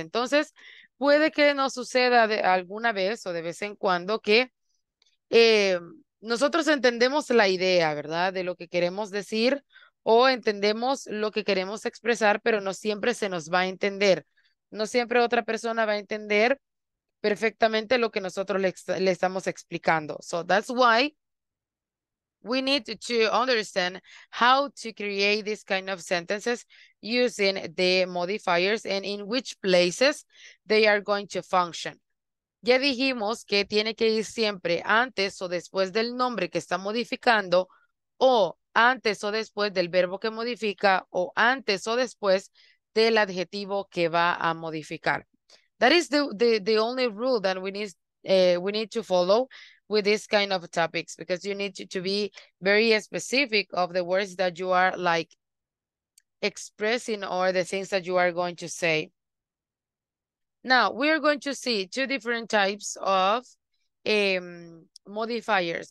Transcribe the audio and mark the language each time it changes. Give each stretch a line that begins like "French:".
Spanish: Entonces, puede que nos suceda de alguna vez o de vez en cuando que nosotros entendemos la idea, ¿verdad?, de lo que queremos decir o entendemos lo que queremos expresar, pero no siempre se nos va a entender. No siempre otra persona va a entender perfectamente lo que nosotros le estamos explicando.
English: So that's why we need to understand how to create this kind of sentences using the modifiers and in which places they are going to function.
Spanish: Ya dijimos que tiene que ir siempre antes o después del nombre que está modificando o antes o después del verbo que modifica o antes o después del adjetivo que va a modificar.
English: That is the only rule that we need to follow with this kind of topics, because you need to be very specific of the words that you are like expressing or the things that you are going to say. Now, we are going to see two different types of modifiers.